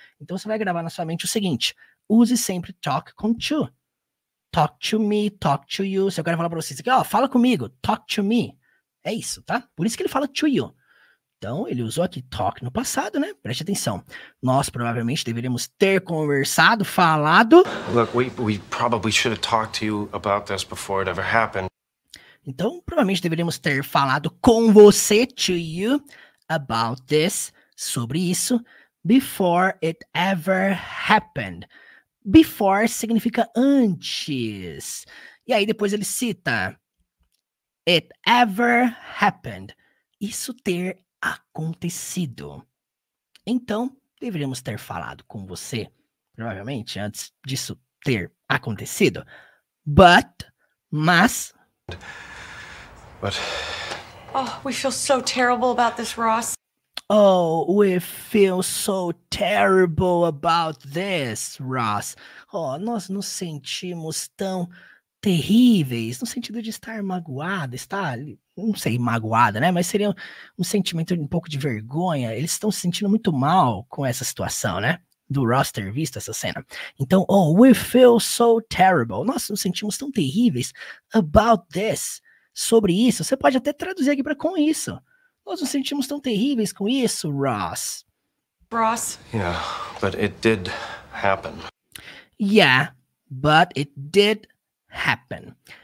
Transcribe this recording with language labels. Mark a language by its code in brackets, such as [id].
[pt] Então você vai gravar na sua mente o seguinte: use sempre talk com to. [en] Talk to me, talk to you. [pt] Se eu quero falar pra vocês aqui, ó, fala comigo, [en] talk to me. [pt] É isso, tá? Por isso que ele fala to you. Então ele usou aqui talk no passado, né? Preste atenção. Nós provavelmente deveríamos ter conversado, falado. [en] Look, we probably should have talked to you about this before it ever happened. [pt] Então, provavelmente deveríamos ter falado com você, to you, [en] about this, [pt] sobre isso, [en] before it ever happened. [pt] Before significa antes. E aí depois ele cita, [en] it ever happened. [pt] Isso ter acontecido. Então, deveríamos ter falado com você, provavelmente, antes disso ter acontecido. Mas... [en] But... Oh, we feel so terrible about this, Ross. Oh, we feel so terrible about this, Ross. [pt] Oh, nós nos sentimos tão terríveis, no sentido de estar magoada, estar, não sei, magoada, né? Mas seria um sentimento de um pouco de vergonha. Eles estão se sentindo muito mal com essa situação, né? Do Ross ter visto essa cena. [en] Então, oh, we feel so terrible. [pt] Nós nos sentimos tão terríveis [en] about this. [pt] Sobre isso, você pode até traduzir aqui para com isso. Nós nos sentimos tão terríveis com isso, Ross. [en] Ross. Yeah, but it did happen. Yeah, but it did happen.